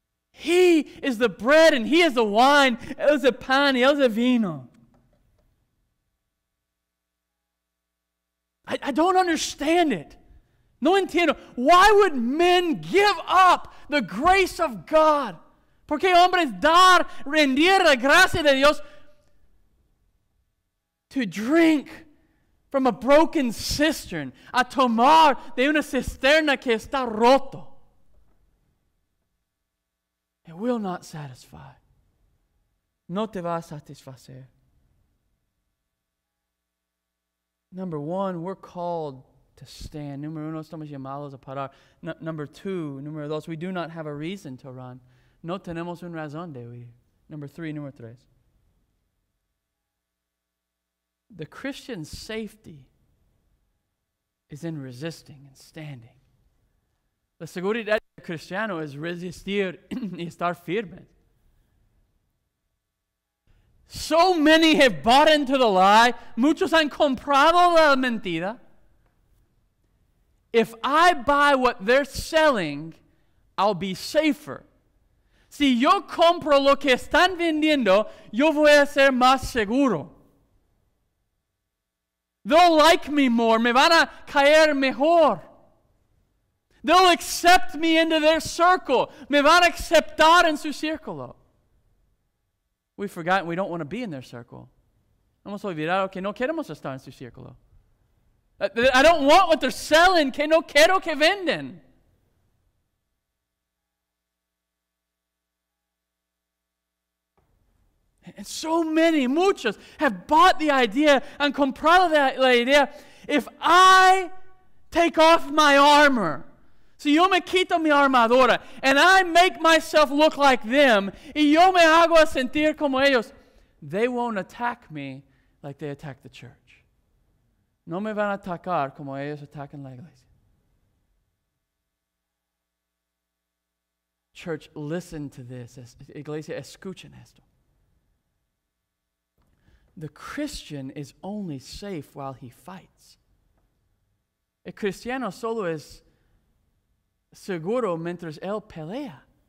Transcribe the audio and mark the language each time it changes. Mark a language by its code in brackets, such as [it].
[en] He is the bread and he is the wine. [es] Él es el pan y él es el vino. [en] I don't understand it. [es] No entiendo. [en] Why would men give up the grace of God? [es] ¿Por qué hombres dar, rendir la gracia de Dios? [en] To drink from a broken cistern, [es] a tomar de una cisterna que está roto. [en] It will not satisfy. [es] No te va a satisfacer. [en] Number one, we're called to stand. [es] Número uno, estamos llamados a parar. Número dos, [en] we do not have a reason to run. [es] No tenemos una razón de huir. Número tres. [en] The Christian's safety is in resisting and standing. [es] La seguridad del cristiano es resistir y estar firme. [en] So many have bought into the lie. [es] Muchos han comprado la mentira. [en] If I buy what they're selling, I'll be safer. [es] Si yo compro lo que están vendiendo, yo voy a ser más seguro. [en] They'll like me more. [es] Me van a caer mejor. [en] They'll accept me into their circle. [es] Me van a aceptar en su círculo. [en] We've forgotten we don't want to be in their circle. [es] Hemos olvidado que no queremos estar en su círculo. [en] I don't want what they're selling. [es] Que no quiero que venden. [en] And so many, muchos, have bought the idea and [es] comprado la idea. [en] If I take off my armor, [es] si yo me quito mi armadura, [en] and I make myself look like them, [es] y yo me hago sentir como ellos, [en] they won't attack me like they attack the church. [es] No me van a atacar como ellos atacan la iglesia. [en] Church, listen to this. [es] Iglesia, escuchen esto. [en] The Christian is only safe while he fights. [es] El cristiano solo es seguro mientras él pelea.